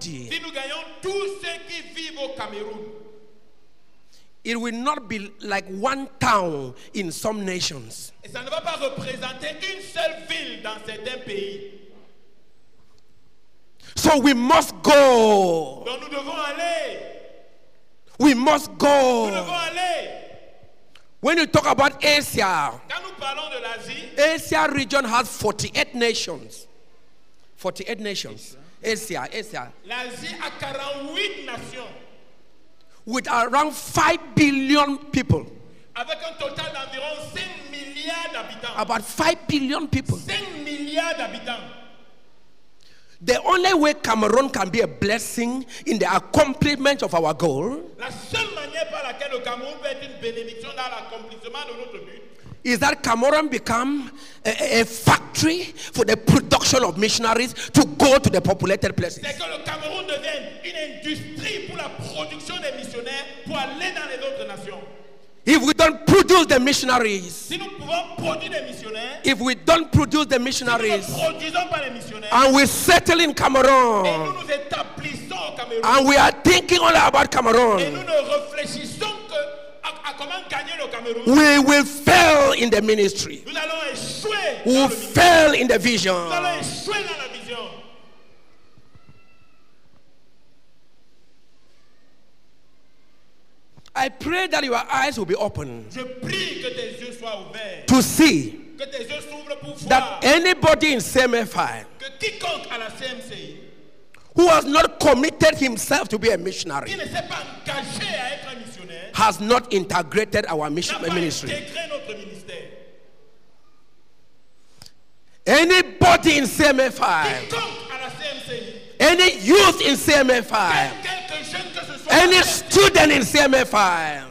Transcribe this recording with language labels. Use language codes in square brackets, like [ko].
[fr] Si nous gagnons tous ceux qui vivent au Cameroun. [en] It will not be like one town in some nations. [fr] Et ça ne va pas représenter une seule ville dans certains pays. [en] So we must go. [fr] Donc nous devons aller. [en] We must go. [fr] Nous devons aller. [en] When you talk about Asia, [fr] quand nous parlons de l'Asie, [en] Asia region has 48 nations. Asia. [fr] L'Asie a 48 nations. [en] With around 5 billion people. [fr] Avec un total d'environ 5 milliards d'habitants. [en] About 5 billion people. [fr] 5 milliards d'habitants. [en] The only way Cameroon can be a blessing in the accomplishment of our goal, [fr] la seule manière par laquelle le Cameroun peut être une bénédiction dans l'accomplissement de notre but, [en] is that Cameroun become a factory for the production of missionaries to go to the populated places. [fr] C'est que le Cameroun devienne une industrie pour la production des missionnaires pour aller dans les autres nations. [en] If we don't produce the missionaries, [fr] si nous pouvons produire des missionnaires, [en] if we don't produce the missionaries, [fr] si nous ne produisons pas les missionnaires, [en] and we settle in Cameroon, [fr] et nous nous établissons au Cameroun, [en] and we are thinking only about Cameroon, [fr] et nous ne réfléchissons que à comment gagner le Cameroun, [en] we will fail in the ministry. [fr] Nous allons échouer. [en] We will fail in the vision. [fr] Nous allons échouer dans la vision. [en] I pray that your eyes will be open. [fr] Je prie que tes yeux soient ouverts. [en] To see [fr] que tes yeux s'ouvrent pour voir [en] that anybody in CMFI, [fr] que quiconque à la CMCI, [en] who has not committed himself to be a missionary, [fr] qui ne s'est pas engagé à être un missionnaire, [en] has not integrated our mission, [fr] n'a pas [en] ministry. [fr] Intégré notre ministère. [en] Anybody in CMFI, [fr] quiconque à la CMCI, [en] any youth in CMFI, any student in CMFI,